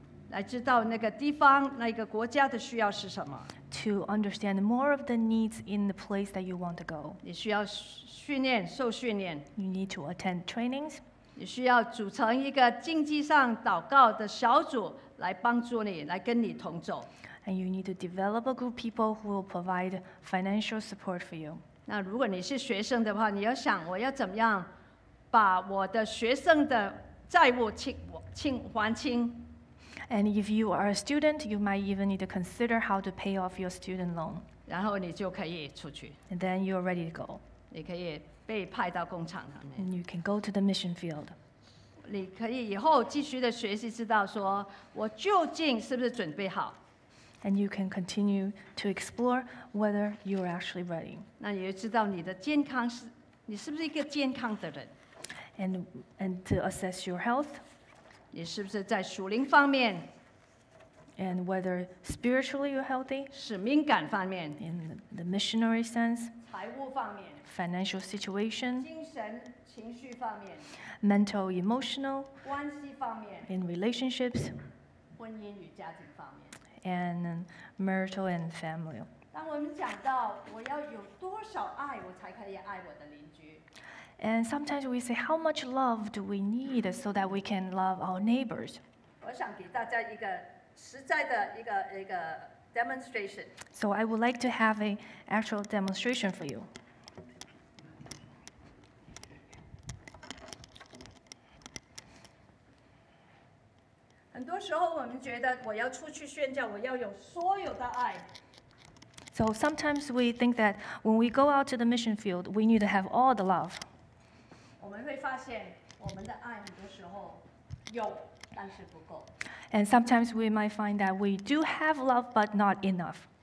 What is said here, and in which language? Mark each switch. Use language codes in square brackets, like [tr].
[zh] 来知道那个地方、那个国家的需要是什么。 [en] To understand more of the needs in the place that you want to go. [zh] 你需要训练、受训练。 [en] You need to attend trainings. [zh] 你需要组成一个经济上祷告的小组来帮助你、来跟你同走。 [en] And you need to develop a group of people who will provide financial support for you. [zh] 那如果你是学生的话，你要想我要怎么样把我的学生的债务还清。 [en] And if you are a student, you might even need to consider how to pay off your student loan. [zh] 然后你就可以出去。 [en] And then you are ready to go. [zh] 你可以被派到工厂上面。 [en] And you can go to the mission field. [zh] 你可以以后继续的学习，知道说我究竟是不是准备好。 [en] And you can continue to explore whether you are actually ready. [zh] 那你也知道你的健康是，你是不是一个健康的人 [en] ？And to assess your health. [zh] 你是不是在属灵方面 [en] ？And whether spiritually you're healthy. [zh] 使命感方面 [en] ？In the missionary sense. [zh] 财务方面 [en] ？Financial situation. [zh] 精神情绪方面 [en] ？Mental emotional. [zh] 关系方面 [en] ？In relationships. [zh] 婚姻与家庭方面。 [en] And marital and family. [zh] 当我们讲到我要有多少爱，我才可以爱我的邻居。 [en] And sometimes we say, how much love do we need so that we can love our neighbors? [zh] 我想给大家一个实在的一个 demonstration. [en] So I would like to have an actual demonstration for you. [zh] 很多时候我们觉得我要出去宣教，我要有所有的爱。 [en] So sometimes we think that when we go out to the mission field, we need to have all the love. [zh] 我们会发现我们的爱很多时候有，但是不够。 [en] And sometimes we might find that we do have love, but not enough.